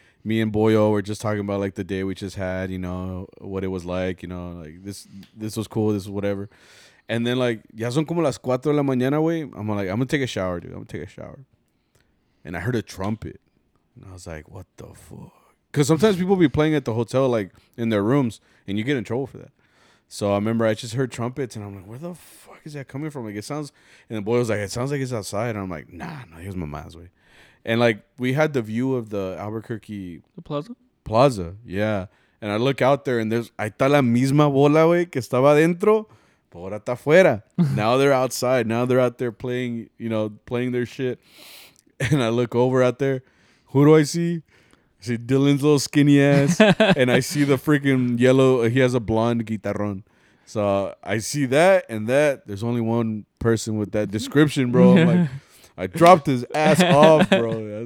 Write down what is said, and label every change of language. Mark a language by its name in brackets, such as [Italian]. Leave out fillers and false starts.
[English] Me and Boyo were just talking about, like, the day we just had, you know, what it was like, you know, like, this was cool, this was whatever. And then, like, [Spanish] ya son como las cuatro de la mañana, güey. [English] I'm like, I'm going to take a shower, dude. I'm going to take a shower. And I heard a trumpet. And I was like, what the fuck? Because sometimes people be playing at the hotel, like, in their rooms, and you get in trouble for that. So I remember I just heard trumpets, and I'm like, where the fuck is that coming from? Like, it sounds, and the boy was like, it sounds like it's outside. And I'm like, nah, no, here's my mom's way. And, like, we had the view of the Albuquerque. The plaza? Plaza, yeah. And I look out there, and there's, [Spanish] ahí está la misma bola, güey, que estaba adentro, pero ahora está afuera. [English] Now they're outside. Now they're out there playing, you know, playing their shit. And I look over out there. Who do I see? I see Dylan's little skinny ass. And I see the freaking yellow. He has a blonde guitarron. So I see that and that. There's only one person with that description, bro. I'm like, I dropped his ass off, bro.